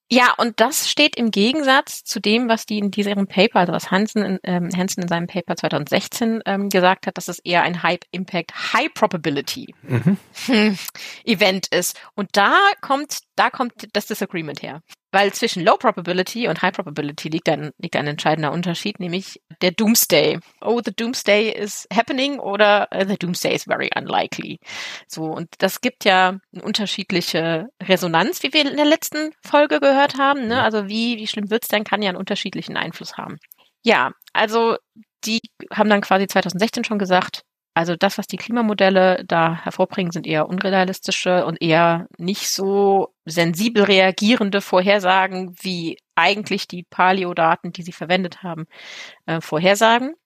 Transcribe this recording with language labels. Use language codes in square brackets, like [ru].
[de] Ja, und das steht im Gegensatz zu dem, was die in diesem Paper, also was Hansen in seinem Paper 2016 gesagt hat, dass es eher ein High Impact, High Probability Event ist. Und da kommt das Disagreement her. Weil zwischen Low Probability und High Probability liegt ein entscheidender Unterschied, nämlich der Doomsday. [en] Oh, the Doomsday is happening oder the Doomsday is very unlikely. [de] So, und das gibt ja eine unterschiedliche Resonanz, wie wir in der letzten Folge gehört haben. Ne? Also wie schlimm wird's denn, kann ja einen unterschiedlichen Einfluss haben. Ja, also die haben dann quasi 2016 schon gesagt, also das, was die Klimamodelle da hervorbringen, sind eher unrealistische und eher nicht so sensibel reagierende Vorhersagen, wie eigentlich die Paleo-Daten, die sie verwendet haben, vorhersagen.